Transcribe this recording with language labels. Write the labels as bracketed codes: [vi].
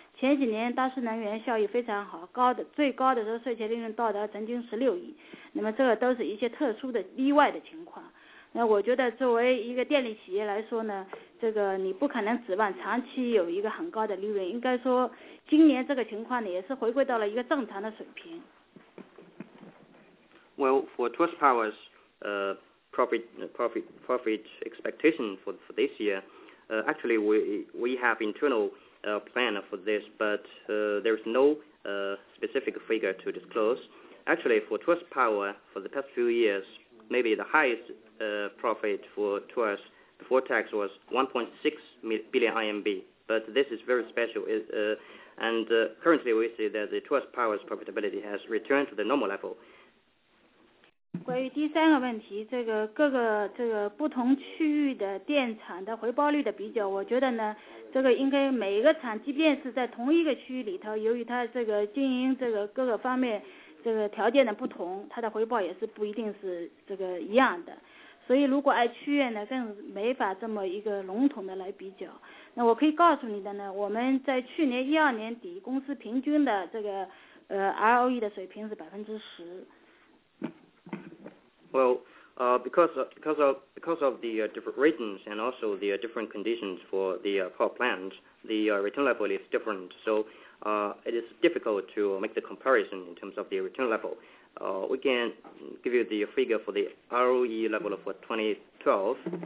[zh] 前几年大势能源效益非常好，最高的时候税前利润到达曾经16亿，那么这个都是一些特殊的例外的情况。那我觉得作为一个电力企业来说呢，这个你不可能指望长期有一个很高的利润，应该说今年这个情况呢也是回归到了一个正常的水平。 [en] Well, for Truss Power's profit expectation for this year, actually we have internal plan for this, but there is no specific figure to disclose. Actually, for Truss Power, for the past few years, maybe the highest profit for Truss before tax was 1.6 billion RMB, but this is very special. And currently, we see that the Truss Power's profitability has returned to the normal level. [zh] 关于第三个问题，这个各个这个不同区域的电厂的回报率的比较，我觉得呢，这个应该每一个厂，即便是在同一个区域里头，由于它这个经营这个各个方面这个条件的不同，它的回报也是不一定是这个一样的。所以如果按区域呢，更没法这么一个笼统的来比较。那我可以告诉你的呢，我们在去年12年底，公司平均的这个ROE 的水平是10%。 [en] Well, because of the different regions and also the different conditions for the power plant, the return level is different. So it is difficult to make the comparison in terms of the return level. We can give you the figure for the ROE level for 2012.